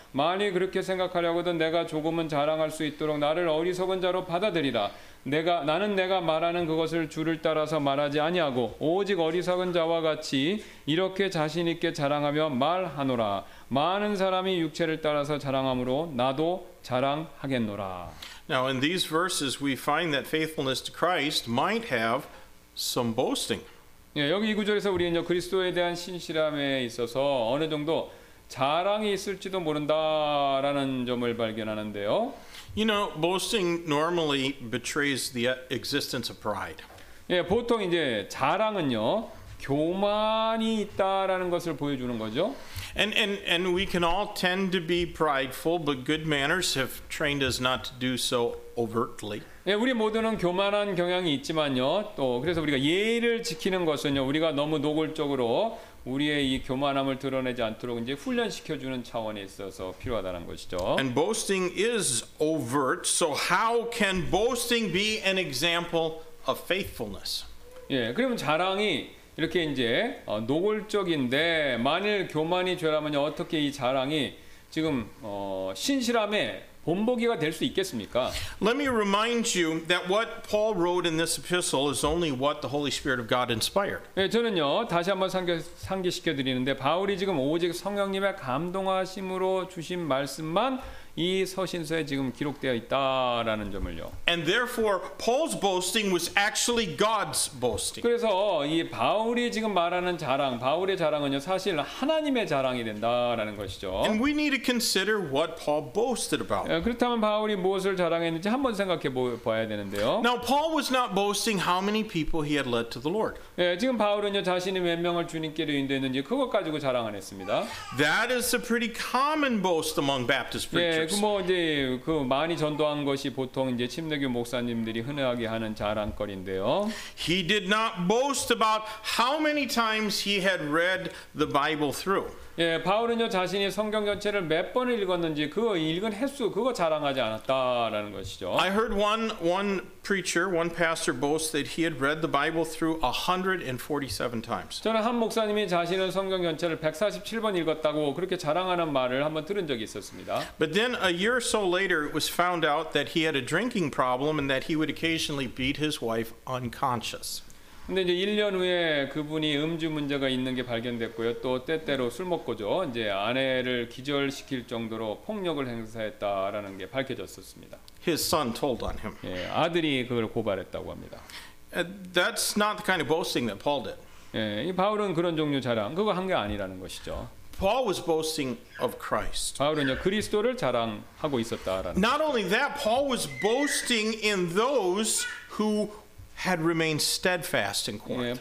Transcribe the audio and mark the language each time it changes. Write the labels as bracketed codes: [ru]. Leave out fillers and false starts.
[ko] 만일 그렇게 생각하려거든 내가 조금은 자랑할 수 있도록 나를 어리석은 자로 받아들이라. 내가 말하는 그것을 주를 따라서 말하지 아니하고 오직 어리석은 자와 같이 이렇게 자신 있게 자랑하며 말하노라. 많은 사람이 육체를 따라서 자랑함으로 나도 자랑하겠노라. [en] Now in these verses we find that faithfulness to Christ might have some boasting. [ko] 예, 여기 이 구절에서 우리는요 그리스도에 대한 신실함에 있어서 어느 정도 자랑이 있을지도 모른다라는 점을 발견하는데요. [en] You know, boasting normally betrays the existence of pride. [ko] 예, 보통 이제 자랑은요 교만이 있다라는 것을 보여주는 거죠. [en] And we can all tend to be prideful, but good manners have trained us not to do so overtly. [ko] 예, 우리 모두는 교만한 경향이 있지만요. 또 그래서 우리가 예의를 지키는 것은요. 우리가 너무 노골적으로 우리의 이 교만함을 드러내지 않도록 이제 훈련시켜 주는 차원에 있어서 필요하다는 것이죠. [en] And boasting is overt. So how can boasting be an example of faithfulness? [ko] 예, 그러면 자랑이 이렇게 이제 노골적인데 만일 교만이 죄라면 어떻게 이 자랑이 지금 신실함의 본보기가 될 수 있겠습니까? [en] Let me remind you that what Paul wrote in this epistle is only what the Holy Spirit of God inspired. [ko] 예, 저는요 다시 한번 상기시켜 드리는데 바울이 지금 오직 성령님의 감동하심으로 주신 말씀만 이 서신서에 지금 기록되어 있다라는 점을요. [en] And therefore, Paul's boasting was actually God's boasting. [ko] 그래서 이 바울이 지금 말하는 자랑, 바울의 자랑은요 사실 하나님의 자랑이 된다라는 것이죠. [en] And we need to consider what Paul boasted about. [ko] 그렇다면 바울이 무엇을 자랑했는지 한번 생각해 봐야 되는데요. [en] Now Paul was not boasting how many people he had led to the Lord. [ko] 예, 지금 바울은요 자신이 몇 명을 주님께로 인도했는지 그것 가지고 자랑 안 했습니다. [en] That is a pretty common boast among Baptist preachers. [ko] 예, 그뭐 이제 그 많이 전도한 것이 보통 이제 침례교 목사님들이 흔하게 하는 자랑거리인데요. [en] He did not boast about how many times he had read the Bible through. [ko] 예, 바울은요 자신이 성경 전체를 몇 번을 읽었는지 그 읽은 횟수 그거 자랑하지 않았다라는 것이죠. [en] I heard one pastor boast that he had read the Bible through 147 times. [ko] 저는 한 목사님이 자신은 성경 전체를 147번 읽었다고 그렇게 자랑하는 말을 한번 들은 적이 있었습니다. [en] But then a year or so later it was found out that he had a drinking problem and that he would occasionally beat his wife unconscious. [ko] 근데 이제 1년 후에 그분이 음주 문제가 있는 게 발견됐고요. 또 때때로 술 먹고죠. 이제 아내를 기절시킬 정도로 폭력을 행사했다라는 게 밝혀졌었습니다. [en] His son told on him. [ko] 예, 아들이 그걸 고발했다고 합니다. [en] That's not the kind of boasting that Paul did. [ko] 예, 이 바울은 그런 종류 자랑 그거 한 게 아니라는 것이죠. [en] Paul was boasting of Christ. [ko] 바울은요 그리스도를 자랑하고 있었다라는. [en] Not only that, Paul was boasting in those who had remained steadfast in Corinth.